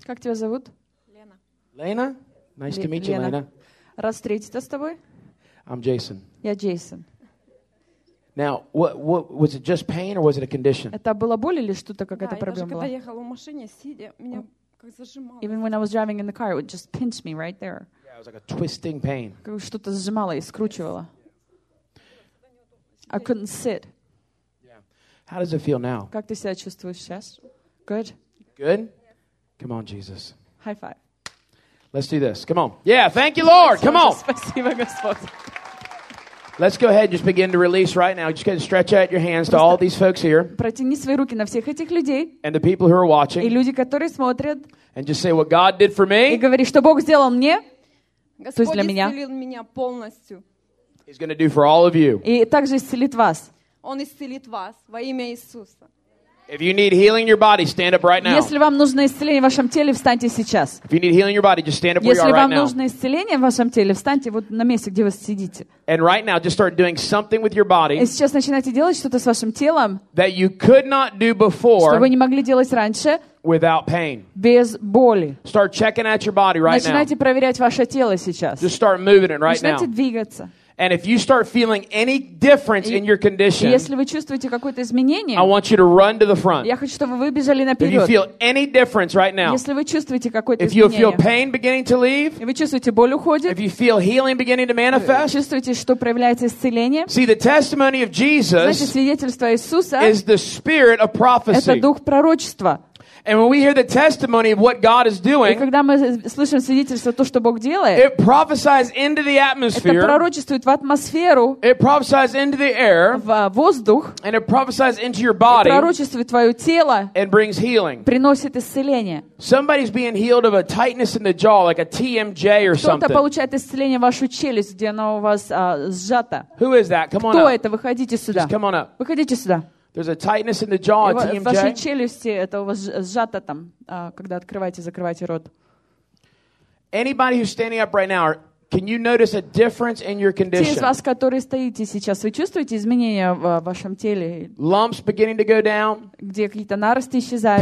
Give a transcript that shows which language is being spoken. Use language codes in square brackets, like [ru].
[ru] Как тебя зовут? Лена. [en] Лена? Nice to meet you, Лена. [ru] Рад встретиться с тобой. [en] I'm Jason. [ru] Я Джейсон. [en] Now, what was it just pain or was it a condition? [ru] Это была боль или что-то, какая-то да, проблема даже, была? Когда ехала в машине, сидя, меня как зажимало. [en] Even when I was driving in the car, it would just pinch me right there. Yeah, it was like a twisting pain. [ru] Как что-то зажимало и скручивало. [en] I couldn't sit. Yeah. How does it feel now? [ru] Как ты себя чувствуешь сейчас? [en] Good. Good. Come on, Jesus. High five. Let's do this. Come on. Yeah, thank you, Lord. Come on. [ru] Спасибо, Господь. [en] Let's go ahead and just begin to release right now. Just go ahead and stretch out your hands to all these folks here. [ru] Протяни свои руки на всех этих людей. [en] And the people who are watching. [ru] И люди, которые смотрят. [en] And just say what God did for me. [ru] И говори, что Бог сделал мне. Господь исцелил меня. [en] He's going to do for all of you. [ru] И также исцелит вас. Он исцелит вас во имя Иисуса. [en] If you need healing in your body, stand up right now. [ru] Если вам нужно исцеление в вашем теле, встаньте сейчас. [en] If you need healing in your body, just stand up where [ru] Если [en] you are right now. [ru] Если вам нужно исцеление в вашем теле, встаньте вот на месте, где вы сидите. [en] And right now, just start doing something with your body. [ru] И сейчас начинайте делать что-то с вашим телом. [en] That you could not do before. [ru] Что вы не могли делать раньше. [en] Without pain. [ru] Без боли. [en] Start checking out your body right [ru] начинайте Начинайте проверять ваше тело сейчас. [en] Just start moving it right [ru] начинайте Начинайте двигаться. [en] And if you start feeling any difference in your condition, [ru] если вы чувствуете какое-то изменение, [en] I want you to run to the front. [ru] Я хочу, чтобы вы бежали наперед. [en] If you feel any difference right now, [ru] если вы чувствуете какое-то изменение, [en] if you feel pain beginning to leave, [ru] и вы чувствуете боль уходит, [en] if you feel healing beginning to manifest, [ru] вы чувствуете, что проявляется исцеление, [en] see the testimony of Jesus, [ru] знаете, свидетельство Иисуса, [en] is the spirit of prophecy. [ru] Это дух пророчества. [en] And when we hear the testimony of what God is doing, [ru] и когда мы слышим свидетельство то, что Бог делает, [en] it prophesies into the atmosphere. [ru] Это пророчествует в атмосферу. [en] It prophesies into the air. [ru] В воздух. [en] And it prophesies into your body. [ru] И пророчествует в твое тело. [en] And brings healing. [ru] Приносит исцеление. [en] Somebody's being healed of a tightness in the jaw, like a TMJ or something. [ru] Кто-то получает исцеление в вашу челюсть, где она у вас сжата. [en] Who is that? Come on up. [ru] Кто это? Выходите сюда. [en] Just come on up. [ru] Выходите сюда. [en] There's a tightness in the jaw, a TMJ. [ru] В вашей челюсти это у вас сжато там, когда открываете, закрываете рот. [en] Anybody who's standing up right now, can you notice a difference in your condition? [ru] Те из вас, которые стоите сейчас, вы чувствуете изменения в вашем теле? [en] Lumps beginning to go down. [ru] Где какие-то наросты исчезают?